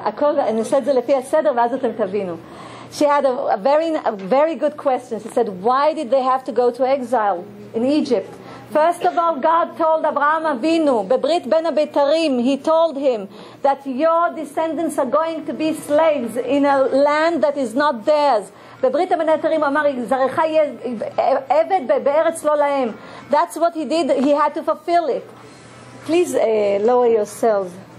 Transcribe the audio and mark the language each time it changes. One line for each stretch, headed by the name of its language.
Hebrew: הכל, אני עושה את זה לפי הסדר ואז אתם תבינו.
English: She had a very good question. She said, why did they have to go to exile in Egypt? First of all, God told Abraham Avinu,
Hebrew: בברית בין הבתרים,
English: he told him that your descendants are going to be slaves in a land that is not theirs.
Hebrew: בברית בין הבתרים אמר, זרחה יהיה עבד בארץ לא להם.
English: That's what he did, he had to fulfill it. Please lower yourselves.